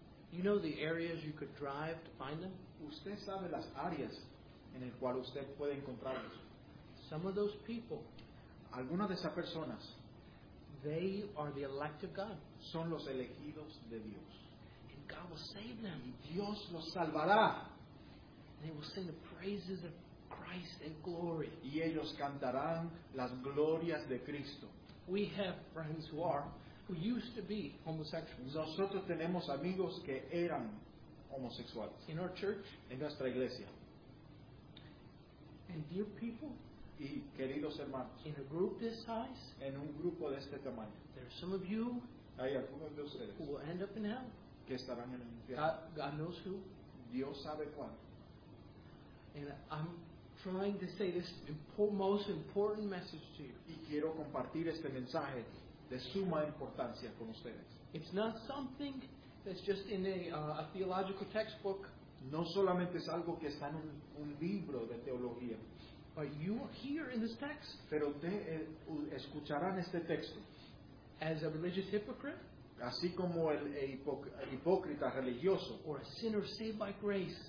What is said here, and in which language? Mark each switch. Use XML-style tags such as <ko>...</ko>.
<en>You know the areas you could drive to find them?</en> <es>Usted sabe las áreas en el cual usted puede encontrarlos.</es> <en>Some of those people.</en> <es>Algunas de esas personas.</es> <en>They are the elect of God.</en> <es>Son los elegidos de Dios.</es> <en>And God will save them.</en> <es>Y Dios los salvará.</es> <en>They will sing the praises of Christ and glory.</en> <es>Y ellos cantarán las glorias de Cristo.</es> <en>We have friends who are. Who used to be homosexuals.</en> <es>Nosotros tenemos amigos que eran homosexuales.</es> <en>In our church.</en> <es>En nuestra iglesia.</es> <en>And dear people.</en> <es>Y queridos hermanos.</es> <en>In a group this size.</en> <es>En un grupo de este tamaño.</es> <en>There are some of you.</en> <es>Hay algunos de ustedes.</es> <en>Who will end up in hell.</en> <es>Que estarán en el infierno.</es> <en>God knows who.</en> <es>Dios sabe cuándo.</es> <en>And I'm trying to say this most important message to you.</en> <es>Y quiero compartir este mensaje. De suma importancia con ustedes.</es> <en>It's not something that's just in a theological textbook.</en> <es>No solamente es algo que está en un libro de teología.</es> <en>But you are here in this text.</en> <es>Pero usted escuchará en este texto.</es> <en>As a religious hypocrite.</en> <es>Así como el hipócrita religioso.</es> <en>Or a sinner saved by grace.</en>